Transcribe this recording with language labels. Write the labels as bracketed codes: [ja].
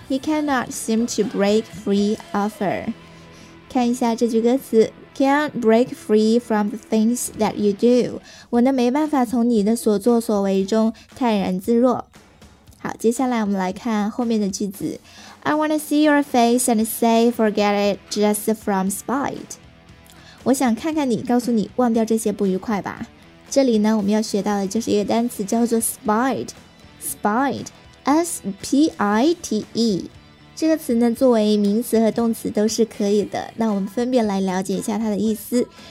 [en] He cannot seem to break free of her。看一下这句歌词，Can't break free from the things that you do。 [zh] 我呢没办法从你的所作所为中泰然自若。好，接下来我们来看后面的句子。 [en] I wanna see your face and say forget it just from spite。 [zh] 我想看看你，告诉你忘掉这些不愉快吧。这里呢，我们要学到的就是一个单词，叫做 spite，S-P-I-T-E。这个词呢，作为名词和动词都是可以的。那我们分别来了解一下它的意思。